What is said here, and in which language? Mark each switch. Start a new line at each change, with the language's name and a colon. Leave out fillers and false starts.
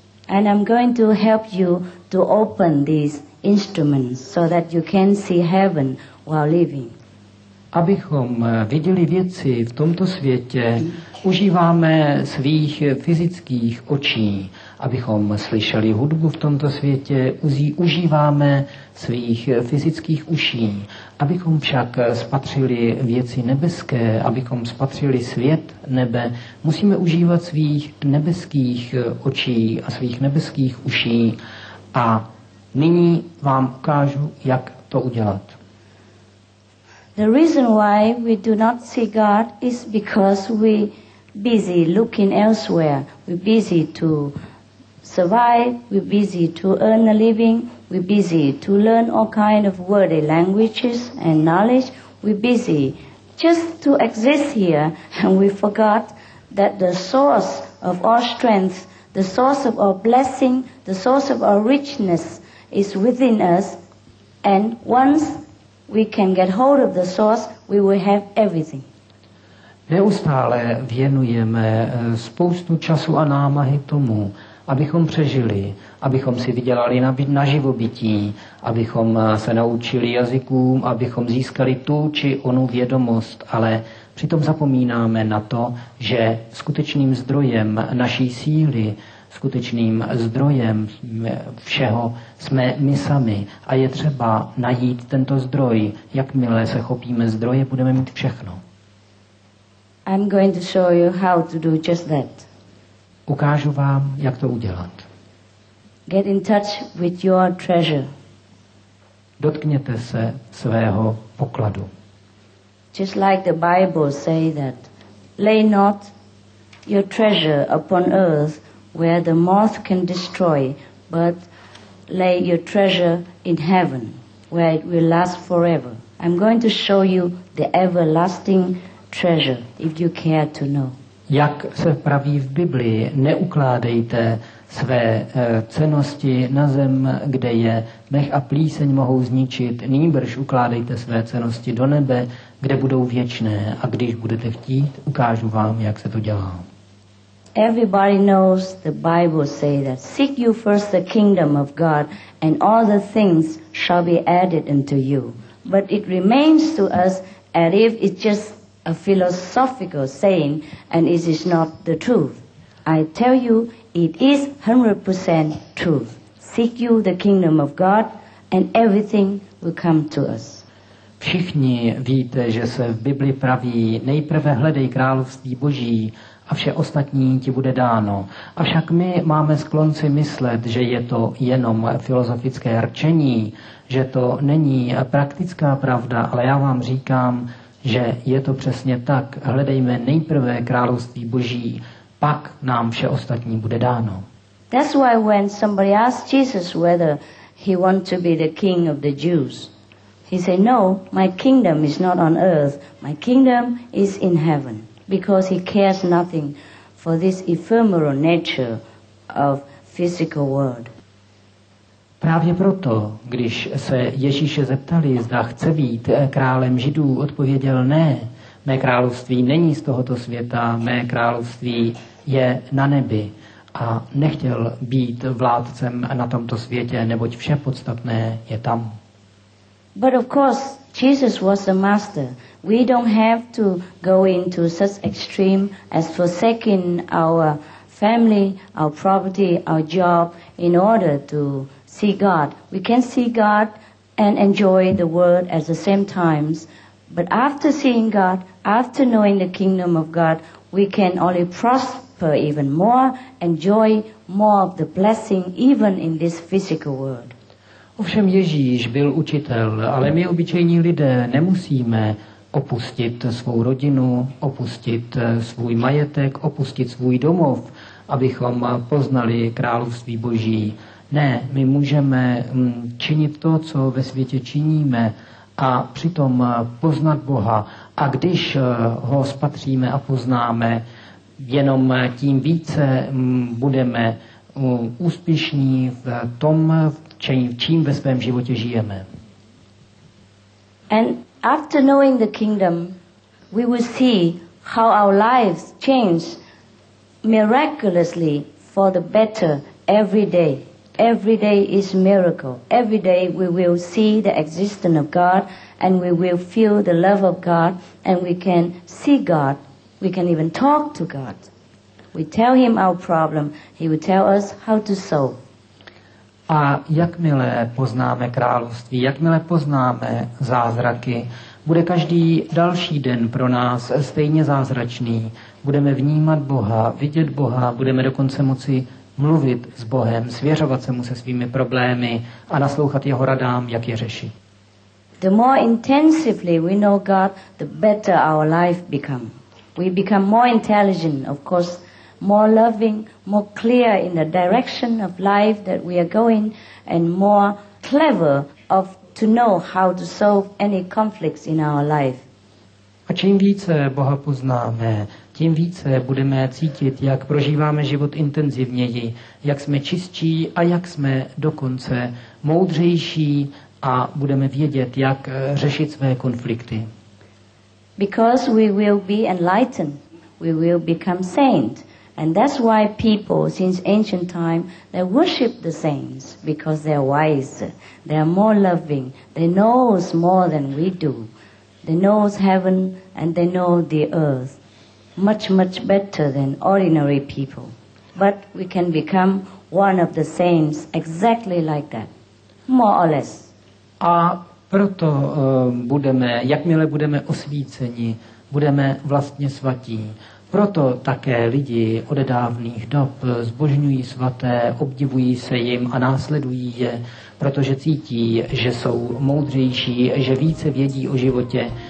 English: And I'm going to help you to open these instruments so that you can see heaven while living.
Czech: Abychom viděli věci v tomto světě, užíváme svých fyzických očí. Abychom slyšeli hudbu v tomto světě, užíváme svých fyzických uší. Abychom však spatřili věci nebeské, abychom spatřili svět nebe, musíme užívat svých nebeských očí a svých nebeských uší. A nyní vám ukážu, jak to udělat.
English: The reason why we do not see God is because we busy looking elsewhere. We busy to survive, we busy to earn a living, we busy to learn all kind of worldly languages and knowledge. We busy just to exist here, and we forgot that the source of all strength, the source of all blessing, the source of all richness is within us, and once we can get hold of the source, we will have everything.
Czech: Neustále věnujeme spoustu času a námahy tomu, abychom přežili, abychom si vydělali na živobytí, abychom se naučili jazykům, abychom získali tu či onu vědomost, ale přitom zapomínáme na to, že skutečným zdrojem naší síly, skutečným zdrojem všeho jsme my sami a je třeba najít tento zdroj. Jakmile se chopíme zdroje, budeme mít všechno.
English: I'm going to show you how to do just that.
Czech: Ukážu vám, jak to udělat.
English: Get in touch with your treasure.
Czech: Dotkněte se svého pokladu.
English: Just like the Bible say that, lay not your treasure upon earth, where the moth can destroy, but lay your treasure in heaven, where it will last forever. I'm going to show you the everlasting treasure, if you care to know.
Czech: Jak se praví v Biblii, neukládejte své cennosti na zem, kde je mech a plíseň mohou zničit, nýbrž ukládejte své cennosti do nebe, kde budou věčné. A když budete chtít, ukážu vám, jak se to dělá.
English: Everybody knows the Bible say that seek you first the kingdom of God and all the things shall be added unto you. But it remains to us as if it's just a philosophical saying and it is not the truth. I tell you, it is 100% truth. Seek you the kingdom of God and everything will come to us.
Czech: Všichni víte, že se v Bibli praví, nejprve hledej království Boží a vše ostatní ti bude dáno. Avšak my máme sklon si myslet, že je to jenom filozofické rčení, že to není praktická pravda, ale já vám říkám, že je to přesně tak. Hledejme nejprve království Boží, pak nám vše ostatní bude dáno.
English: That's why when somebody asked Jesus whether he wanted to be the king of the Jews, he said, no, my kingdom is not on earth. My kingdom is in heaven. Because he cares nothing for this ephemeral nature of physical world.
Czech: Právě proto, když se Ježíše zeptali, zda chce být králem Židů, odpověděl ne. Mé království není z tohoto světa, mé království je na nebi. A nechtěl být vládcem na tomto světě, neboť vše podstatné je tam.
English: But of course, Jesus was the master. We don't have to go into such extreme as forsaking our family, our property, our job in order to see God. We can see God and enjoy the world at the same time. But after seeing God, after knowing the kingdom of God, we can only prosper even more, enjoy more of the blessing even in this physical world.
Czech: Ovšem Ježíš byl učitel, ale my obyčejní lidé nemusíme opustit svou rodinu, opustit svůj majetek, opustit svůj domov, abychom poznali království Boží. Ne, my můžeme činit to, co ve světě činíme a přitom poznat Boha. A když ho spatříme a poznáme, jenom tím více budeme úspěšní v tom, čím ve svém životě žijeme.
English: And after knowing the kingdom, we will see how our lives change miraculously for the better every day. Every day is miracle. Every day we will see the existence of God and we will feel the love of God and we can see God. We can even talk to God. We tell him our problem, he will tell us how to solve.
Czech: A jakmile poznáme království, jakmile poznáme zázraky, bude každý další den pro nás stejně zázračný. Budeme vnímat Boha, vidět Boha, budeme dokonce moci mluvit s Bohem, svěřovat se mu se svými problémy a naslouchat jeho radám, jak je řešit.
English: The more intensively we know God, the better our life become. We become more intelligent, of course. More loving, more clear in the direction of life that we are going, and more clever of to know how to solve any conflicts in our life.
Czech: A čím více Boha poznáme, tím více budeme cítit, jak prožíváme život intenzivněji, jak jsme čistší a jak jsme dokonce moudřejší a budeme vědět, jak řešit své konflikty.
English: Because we will be enlightened, we will become saint. And that's why people since ancient time they worship the saints because they are wise, they are more loving, they know more than we do. They know heaven and they know the earth much, much better than ordinary people. But we can become one of the saints exactly like that, more or less.
Czech: A proto budeme, jakmile budeme osvíceni, budeme vlastně svatí. Proto také lidi od dávných dob zbožňují svaté, obdivují se jim a následují je, protože cítí, že jsou moudřejší, že více vědí o životě.